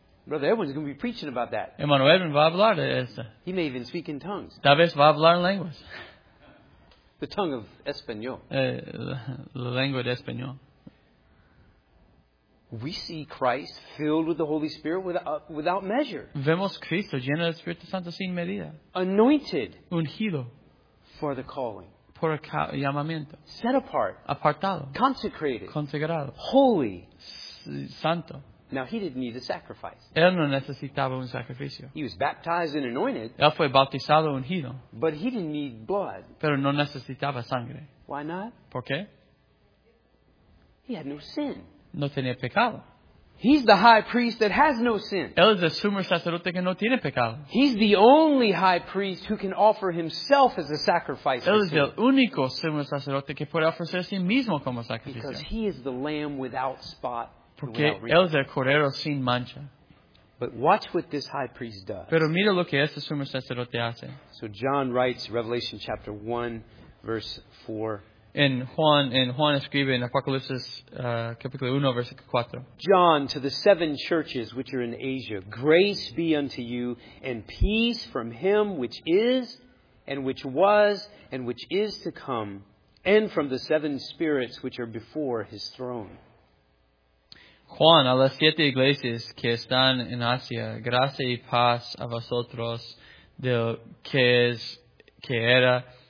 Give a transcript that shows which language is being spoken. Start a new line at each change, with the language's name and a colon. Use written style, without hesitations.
English: Brother Edwin's going to be preaching about that.
Spanish: Emmanuel Edwin va a hablar de eso.
English: He may even speak in tongues.
Spanish: Tal vez va a hablar en lenguas.
English: The tongue of Espanol.
Spanish: La lengua de Espanol.
English: We see Christ filled with the Holy Spirit without measure.
Spanish: Vemos Cristo lleno del Espíritu Santo sin medida.
English: Anointed.
Spanish: Ungido.
English: For the calling.
Spanish: Por el llamamiento.
English: Set apart.
Spanish: Apartado.
English: Consecrated.
Spanish: Consagrado.
English: Holy.
Spanish: Santo.
English: Now he didn't need a sacrifice.
Spanish: Él no necesitaba un sacrificio.
English: He was baptized and anointed.
Spanish: Él fue bautizado ungido.
English: But he didn't need blood.
Spanish: Pero no necesitaba sangre.
English: Why not?
Spanish: ¿Por qué?
English: He had no sin.
Spanish: No tenía pecado.
English: He's the high priest that has no sin.
Spanish: Él es el sumo sacerdote que no tiene pecado.
English: He's the only high priest who can offer himself as a sacrifice.
Spanish: Él es el único sumo sacerdote que puede ofrecer a sí mismo como sacrificio.
English: Because he is the lamb without spot.
Spanish: Porque él es el cordero sin mancha.
English: But watch what this high priest does.
Spanish: Pero mira lo que este sumo sacerdote hace.
English: So John writes Revelation chapter 1 verse 4.
Spanish: En Juan escribe en Apocalipsis capítulo 1, versículo 4.
English: John, to the seven churches which are in Asia, grace be unto you, and peace from him which is, and which was, and which is to come, and from the seven spirits which are before his throne.
Spanish: Juan, a las siete iglesias que están en Asia, gracia y paz a vosotros del que es, que era,